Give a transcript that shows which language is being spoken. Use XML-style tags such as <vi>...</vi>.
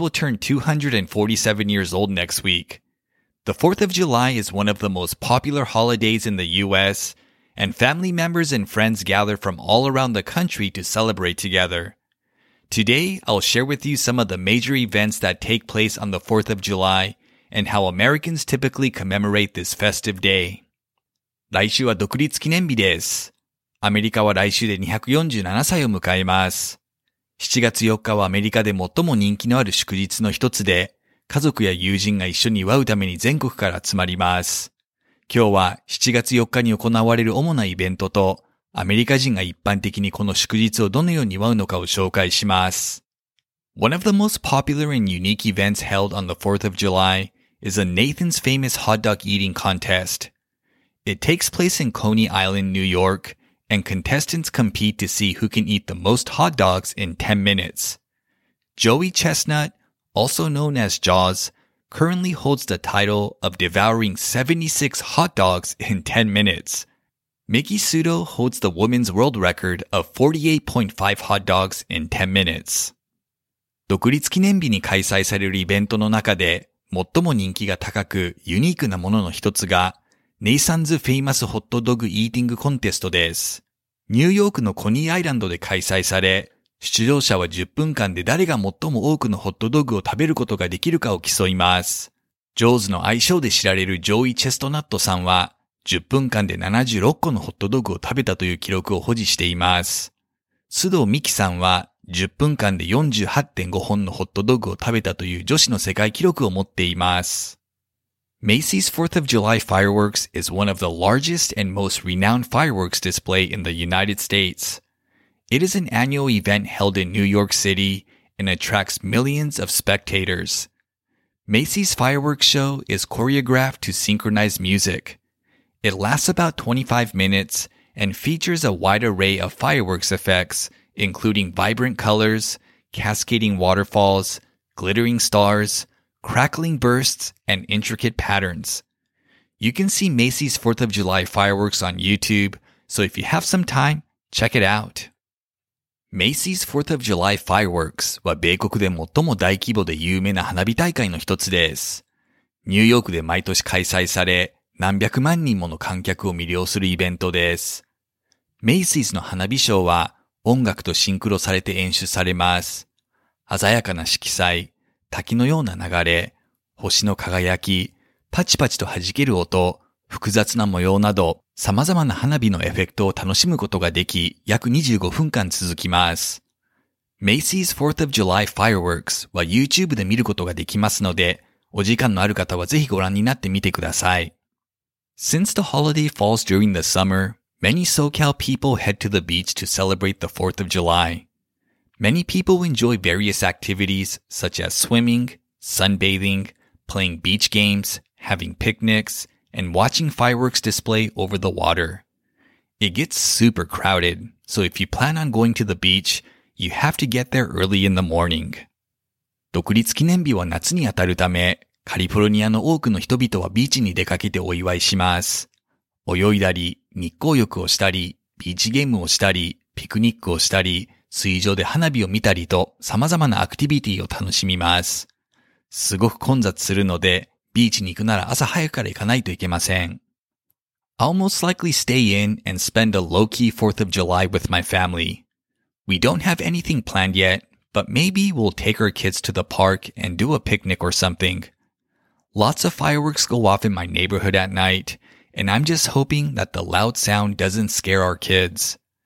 <en>will turn 247 years old next week. The 4th of July is one of the most popular holidays in the U.S., and family members and friends gather from all around the country to celebrate together. Today, I'll share with you some of the major events that take place on the 4th of July and how Americans typically commemorate this festive day.</en> <ja>来週は独立記念日です。アメリカは来週で247歳を迎えます。 7月4日はアメリカで最も人気のある祝日の一つで、家族や友人が一緒に祝うために全国から集まります。今日は7月4日に行われる主なイベントと、アメリカ人が一般的にこの祝日をどのように祝うのかを紹介します。</ja> <en>One of the most popular and unique events held on the 4th of July is a Nathan's Famous Hot Dog Eating Contest. It takes place in Coney Island, New York, and contestants compete to see who can eat the most hot dogs in 10 minutes. Joey Chestnut, also known as Jaws, currently holds the title of devouring 76 hot dogs in 10 minutes. Miki Sudo holds the women's world record of 48.5 hot dogs in 10 minutes.</en> <ja>独立記念日に開催されるイベントの中で最も人気が高くユニークなものの一つがNathan's Famous Hot Dog Eating Contest です。ニューヨークのコニーアイランドで開催され、出場者は10分間で誰が最も多くのホットドッグを食べることができるかを競います。ジョーズの愛称で知られるジョイ・チェストナットさんは、10分間で76個のホットドッグを食べたという記録を保持しています。須藤美希さんは、10分間で 48.5 本のホットドッグを食べたという女子の世界記録を持っています。</ja> <en>Macy's 4th of July fireworks is one of the largest and most renowned fireworks display in the United States. It is an annual event held in New York City and attracts millions of spectators. Macy's fireworks show is choreographed to synchronize music. It lasts about 25 minutes and features a wide array of fireworks effects, including vibrant colors, cascading waterfalls, glittering stars, crackling bursts, and intricate patterns. You can see Macy's 4th of July fireworks on YouTube, so if you have some time, check it out.</en> <ja>Macy's 4th of July fireworks は米国で最も大規模で有名な花火大会の一つです。ニューヨークで毎年開催され、何百万人もの観客を魅了するイベントです。 Macy's の花火ショーは音楽とシンクロされて演出されます。鮮やかな色彩、滝のような流れ、星の輝き、パチパチと弾ける音、複雑な模様など、様々な花火のエフェクトを楽しむことができ、約25分間続きます。 Macy's 4th of July Fireworks は YouTube で見ることができますので、お時間のある方はぜひご覧になってみてください。</ja> <en>Since the holiday falls during the summer, many SoCal people head to the beach to celebrate the 4th of July. Many people enjoy various activities such as swimming, sunbathing, playing beach games, having picnics, and watching fireworks display over the water. It gets super crowded, so if you plan on going to the beach, you have to get there early in the morning.</en> <ja>独立記念日は夏にあたるため、カリフォルニアの多くの人々はビーチに出かけてお祝いします。泳いだり、日光浴をしたり、ビーチゲームをしたり、ピクニックをしたり、水上で花火を見たりと様々なアクティビティを楽しみます。すごく混雑するので、ビーチに行くなら朝早くから行かないといけません。</ja> <en>I'll most likely stay in and spend a low-key 4th of July with my family. We don't have anything planned yet, but maybe we'll take our kids to the park and do a picnic or something. Lots of fireworks go off in my neighborhood at night, and I'm just hoping that the loud sound doesn't scare our kids.</en>